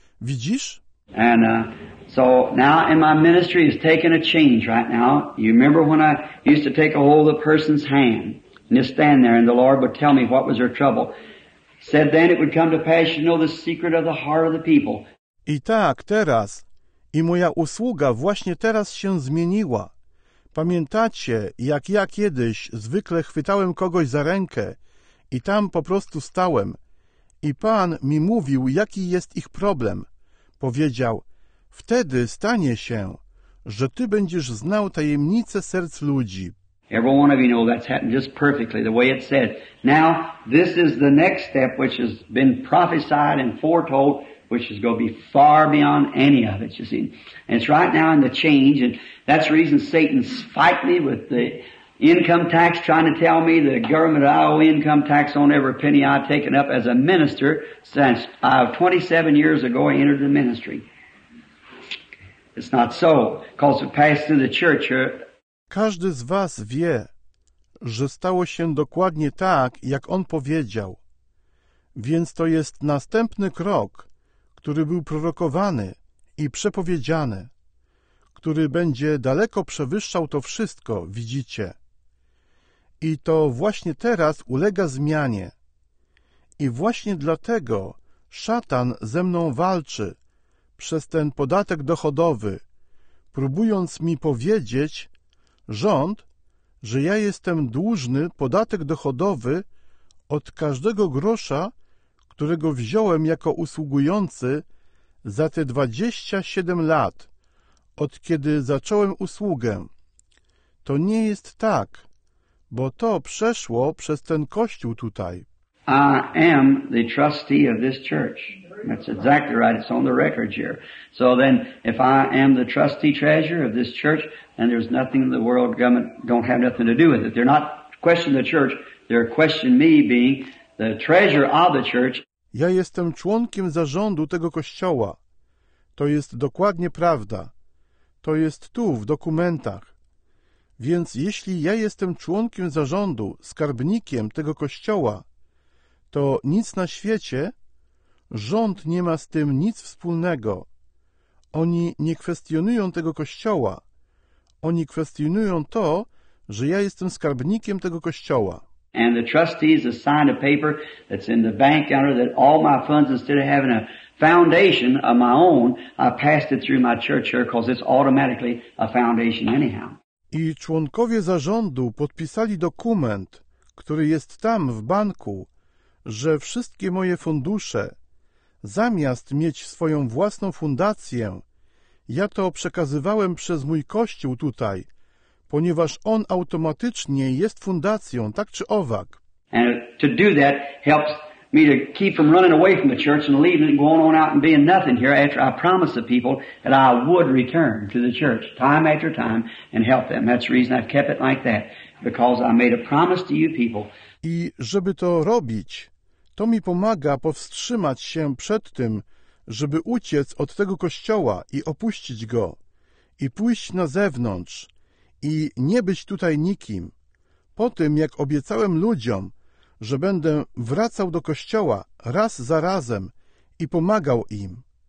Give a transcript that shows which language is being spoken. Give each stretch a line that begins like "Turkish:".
Polish: Widzisz?
English: And so now in my ministry is taking a change right now. You remember when I used to take a hold of the person's hand and just stand there and the Lord would tell me what was their trouble. Said then it would come to pass you know the secret of the heart of the people.
Polish: I tak, teraz. I moja usługa właśnie teraz się zmieniła. Pamiętacie, jak ja kiedyś zwykle chwytałem kogoś za rękę i tam po prostu stałem. I Pan mi mówił, jaki jest ich problem. Powiedział, wtedy stanie się, że ty będziesz znał tajemnice serc ludzi.
English: Every one of you know that's happened just perfectly, the way it said. Now, this is the next step which has been prophesied and foretold, which is going to be far beyond any of it, you see. And it's right now in the change, and that's the reason Satan's fighting me with the income tax, trying to tell me the government I owe income tax on every penny I've taken up as a minister since 27 years ago I entered the ministry. It's not so, because it passed through the church.
Polish: Każdy z was wie, że stało się dokładnie tak, jak on powiedział. Więc to jest następny krok, który był prorokowany i przepowiedziany, który będzie daleko przewyższał to wszystko, widzicie. I to właśnie teraz ulega zmianie. I właśnie dlatego szatan ze mną walczy przez ten podatek dochodowy, próbując mi powiedzieć, rząd, że ja jestem dłużny podatek dochodowy od każdego grosza, którego wziąłem jako usługujący za te 27 lat, od kiedy zacząłem usługę. To nie jest tak, bo to przeszło przez ten kościół tutaj.
English: I am the trustee of this church. That's exactly right. It's on the record here. So then, if I am the trustee treasurer of this church, then there's nothing in the world government don't have nothing to do with it. They're not questioning the church. They're questioning me being the treasurer of the church.
Polish: Ja jestem członkiem zarządu tego kościoła. To jest dokładnie prawda. To jest tu, w dokumentach. Więc jeśli ja jestem członkiem zarządu, skarbnikiem tego kościoła, to nic na świecie, rząd nie ma z tym nic wspólnego. Oni nie kwestionują tego kościoła. Oni kwestionują to, że ja jestem skarbnikiem tego kościoła.
English: And the trustees assigned a paper that's in the bank under that all my funds, instead of having a foundation of my own, I passed it through my church here because it's automatically a foundation anyhow.
Polish: I członkowie zarządu podpisali dokument, który jest tam w banku, że wszystkie moje fundusze, zamiast mieć swoją własną fundację, ja to przekazywałem przez mój kościół tutaj, ponieważ on automatycznie jest fundacją, tak czy owak.
English: And to do that helps me to keep from running away from the church and leaving and going on out and being nothing here after I promised the people that I would return to the church time after time and help them. That's the reason I've kept it like that, because I made a promise to you people.
Polish: I żeby to robić, to mi pomaga powstrzymać się przed tym, żeby uciec od tego kościoła i opuścić go, i pójść na zewnątrz, i nie być tutaj nikim. Po tym, jak obiecałem ludziom, że będę wracał do kościoła raz za razem i pomagał im.